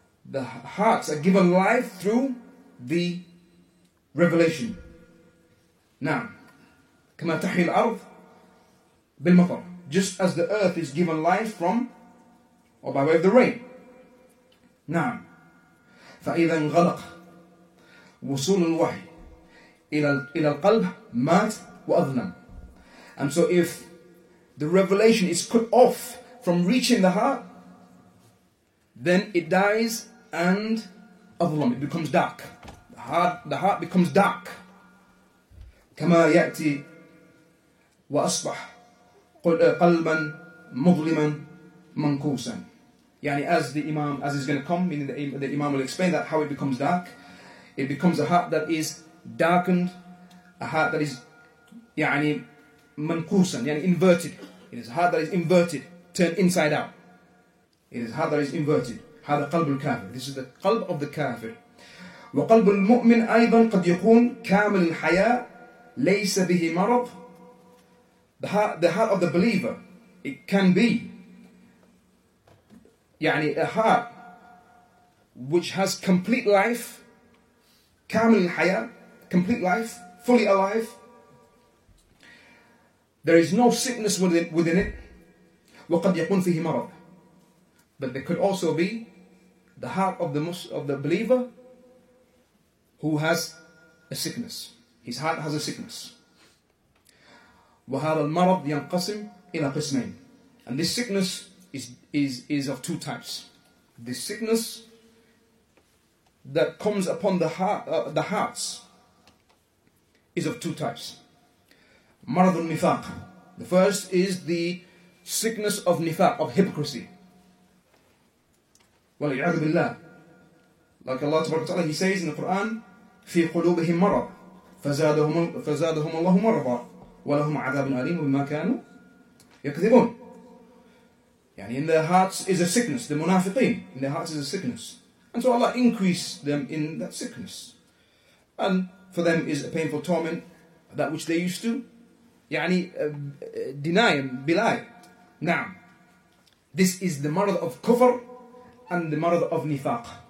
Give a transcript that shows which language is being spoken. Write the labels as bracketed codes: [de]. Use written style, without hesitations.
[en] The hearts are given life through the revelation. [ar] نعم. كما تحيا الأرض بالمطر. [en] Just as the earth is given life from or by way of the rain. [ar] نعم. فإذا انغلق وصول الوحي إلى القلب مات وأظلم. [en] And so if the revelation is cut off from reaching the heart, then it dies and أظلم. It becomes dark. The heart becomes dark. [ar] كما يأتي وأصبح قلبا مظلما منكوسا. [en] Yani as the Imam, as he's going to come, meaning the Imam will explain that, how it becomes dark. It becomes a heart that is darkened, a heart that is يعني منكوسن, يعني inverted. It is a heart that is inverted, turned inside out. It is a heart that is inverted. [ar] هذا قلب الكافر. [en] This is the قلب of the كافر. [ar] وقلب المؤمن أيضا قد يكون كامل الحياة ليس به مرض. [en] The heart of the believer, it can be يعني a heart which has complete life, [ar] كامل الحياة, [en] complete life, fully alive. There is no sickness within it. [ar] وقد يكون فيه مرض. [en] But there could also be the heart of the believer who has a sickness. His heart has a sickness. [ar] وهذا المرض ينقسم إلى قسمين. [en] And this sickness is of two types. This sickness that comes upon the hearts is of two types. [ar] مرض النفاق. [en] The first is the sickness of nifaq, of hypocrisy. [ar] والعياذ بالله. [en] Like Allah تبارك وتعالى, He says in the Quran, [ar] في قلوبهم مرض فزادهم الله مرضا ولهم عذاب أليم بما كانوا يكذبون. [en] Yani in their hearts is a sickness, the munafiqeen, in their hearts is a sickness. And so Allah increased them in that sickness. And for them is a painful torment, that which they used to يعني, deny and belie. Now, this is the marad of kufr and the marad of nifaq.